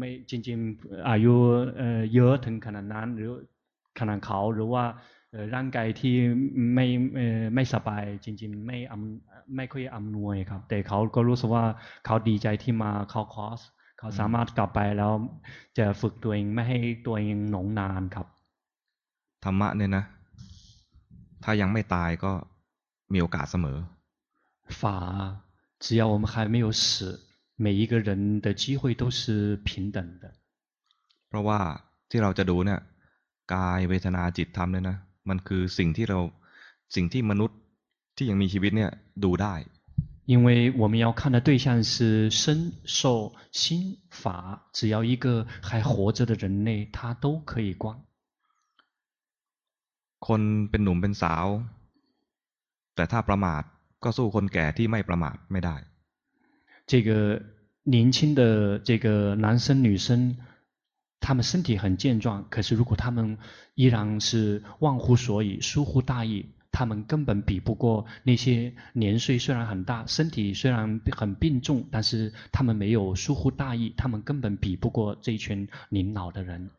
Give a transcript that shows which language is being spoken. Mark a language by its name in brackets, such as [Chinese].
[Thai] จริงๆอายุเยอะถึงขนาดนั้นหรือขนาดเขาหรือว่าร่างกายที่ไม่สบายจริงๆไม่ค่อยอำนวยครับแต่เขาก็รู้สึกว่าเขาดีใจที่มาเข้าคอร์สเขาสามารถกลับไปแล้วจะฝึกตัวเองไม่ให้ตัวเองหนองนานครับ ธรรมะเนี่ยนะถ้ายังไม่ตายก็มีโอกาสเสมอ [Chinese] ฝ่า只要我们还没有死每一个人的机会都是平等的 [Thai] เพราะว่าที่เราจะดูเนี่ยกายเวทนาจิตธรรมเนี่ยนะมันคือสิ่งที่เราสิ่งที่มนุษย์ที่ยังมีชีวิตเนี่ยดูได้ [Chinese] 因为我们要看的对象是身受心法只要一个还活着的人类他都可以观 [Thai] คนเป็นหนุ่มเป็นสาวแต่ถ้าประมาทก็สู้คนแก่ที่ไม่ประมาทไม่ได้ [Chinese] 这个年轻的这个男生女生他们身体很健壮可是如果他们依然是忘乎所以疏忽大意他们根本比不过那些年岁虽然很大身体虽然很病重但是他们没有疏忽大意他们根本比不过这一群年老的人